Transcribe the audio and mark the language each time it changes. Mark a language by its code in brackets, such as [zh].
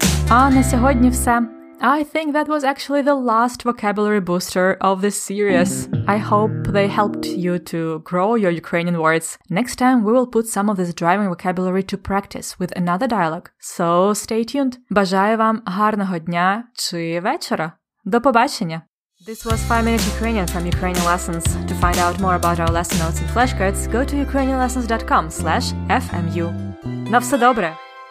[uk] А на сьогодні все. [en] I think that was actually the last vocabulary booster of this series. I hope they helped you to grow your Ukrainian words. Next time, we will put some of this driving vocabulary to practice with another dialogue. So stay tuned. [uk] Бажаю вам гарного дня чи вечора. До побачення! [en] This was 5 Minute Ukrainian from Ukrainian Lessons. To find out more about our lesson notes and flashcards, go to ukrainianlessons.com/FMU. [uk] На все добре!